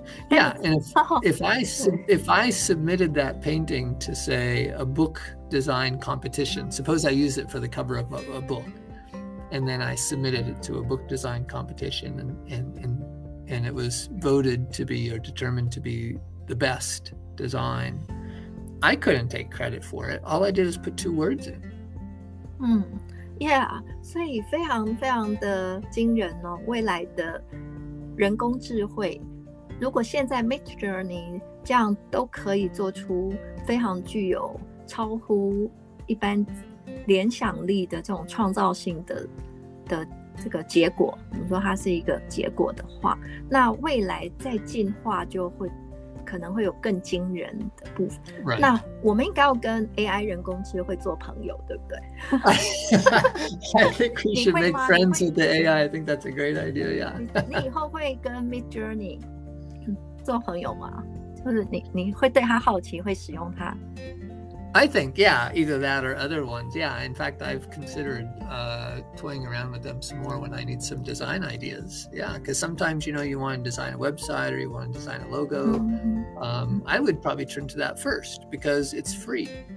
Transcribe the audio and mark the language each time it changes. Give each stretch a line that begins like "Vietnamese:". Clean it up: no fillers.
English: Yeah, and if I submitted that painting to, say, a book design competition, suppose I use it for the cover of a book, and then I submitted it to a book design competition, and it was voted to be or determined to be the best design, I couldn't take credit for it. All I did is put two words in.
Chinese: Yeah, 所以非常非常的惊人哦，未来的人工智慧。如果现在 Midjourney 这样都可以做出非常具有超乎一般联想力的这种创造性 的这个结果，我们说它是一个结果的话，那未来再进化就会可能会有更惊人的部分。
English: Right.
Chinese: 那我们应该要跟 AI 人工智慧做朋友，对不对？
English: I think we should make friends with the AI. I think that's a great idea. Yeah.
Chinese: 你以后会跟 Midjourney做朋友吗？就是你会对他好奇，会使用他？
English: I think, yeah, either that or other ones. Yeah, in fact, I've considered toying around with them some more when I need some design ideas. Yeah, because sometimes, you know, you want to design a website or you want to design a logo. I would probably turn to that first because it's free.